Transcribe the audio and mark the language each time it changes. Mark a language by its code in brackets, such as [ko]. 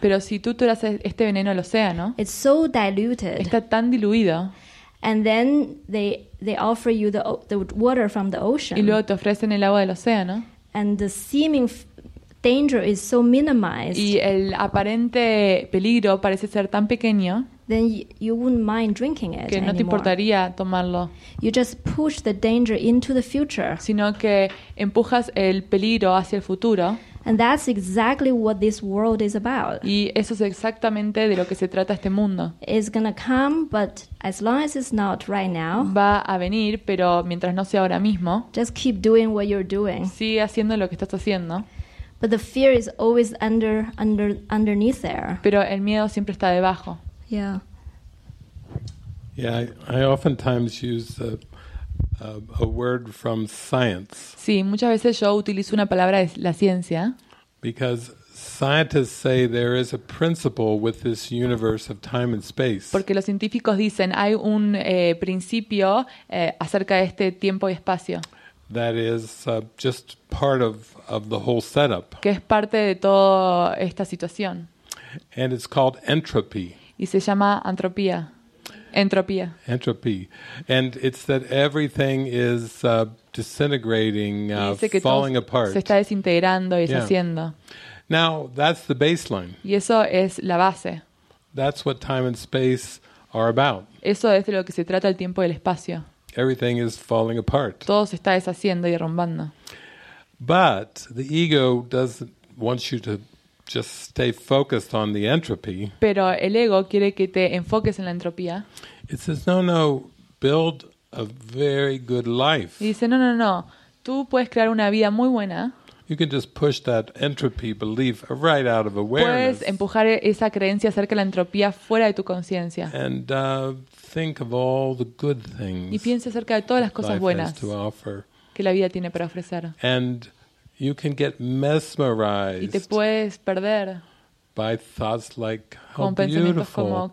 [es] Pero si tú tiras este veneno al océano. [en] It's so diluted. [es] Está tan diluido. [en] And then they offer you the water from the ocean. [es] Y luego te ofrecen el agua del océano. [en] And the seeming danger is so minimized. [es] Y el aparente peligro parece ser tan pequeño. [en] Then you wouldn't mind drinking it. [es] Que no [en] anymore. [es] Te importaría tomarlo. [en] You just push the danger into the future. [es] Sino que empujas el peligro hacia el futuro. [en] And that's exactly what this world is about. [es] Y eso es exactamente de lo que se trata este mundo. [en] It's gonna come, but as long as it's not right now. [es] Va a venir, pero mientras no sea ahora mismo. [en] Just keep doing what you're doing. [es] Sigue haciendo lo que estás haciendo. [en] But the fear is always underneath there. [es] Pero el miedo siempre está debajo. [en] Yeah. Yeah, I oftentimes use a word from science. [es] Sí, muchas veces yo utilizo una palabra de la ciencia. [en] Because scientists say there is a principle with this universe of time and space. [es] Porque los científicos dicen hay un principio acerca de este tiempo y espacio. [en] That is just part of the whole setup. [es] Que es parte de toda esta situación. [en] And it's called entropy. [es] Y se llama entropía. Entropía. [en] Entropy. And it's that everything is disintegrating, falling apart. [es] Se está desintegrando y deshaciendo. Yeah. [en] Now, that's the baseline. [es] Y eso es la base. [en] That's what time and space are about. [es] Eso es de lo que se trata el tiempo y el espacio. [en] Everything is falling apart. [es] Todo se está deshaciendo y derrumbando. [en] But the ego doesn't want you to just stay focused on the entropy. [es] Pero el ego quiere que te enfoques en la entropía. [en] It says, no, build a very good life. [es] Y dice, no, tú puedes crear una vida muy buena. [en] You can just push that entropy belief right out of awareness. [es] Puedes empujar esa creencia acerca de la entropía fuera de tu conciencia. [en] And think of all the good things. [es] Y piensa acerca de todas las cosas buenas que la vida tiene para ofrecer. [en] And you can get mesmerized. [es] Y te puedes perder. [en] By thoughts like how beautiful